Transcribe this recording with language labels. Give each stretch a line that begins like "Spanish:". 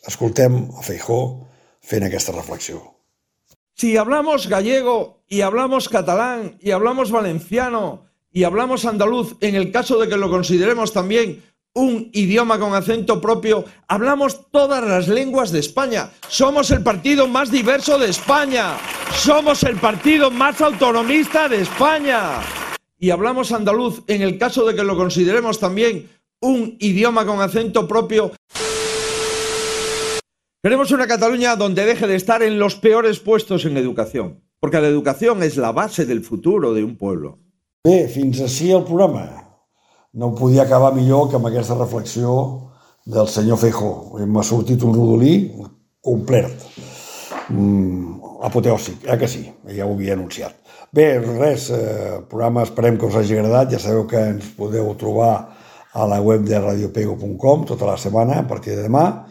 Catalan: Escoltem a Feijó fent aquesta reflexió.
Spanish: Si hablamos gallego y hablamos catalán y hablamos valenciano y hablamos andaluz, en el caso de que lo consideremos también un idioma con acento propio, hablamos todas las lenguas de España. Somos el partido más diverso de España. Somos el partido más autonomista de España. Y hablamos andaluz, en el caso de que lo consideremos también un idioma con acento propio. Queremos una Cataluña donde deje de estar en los peores puestos en educación. Porque la educación es la base del futuro de un pueblo.
Catalan: Bé, fins així el programa. No podia acabar millor que amb aquesta reflexió del senyor Feijó. M'ha sortit un rodolí complet. Apoteòsic, eh que sí? Ja ho havia anunciat. Bé, res, el programa esperem que us hagi agradat. Ja sabeu que ens podeu trobar a la web de radiopego.com tota la setmana, a partir de demà.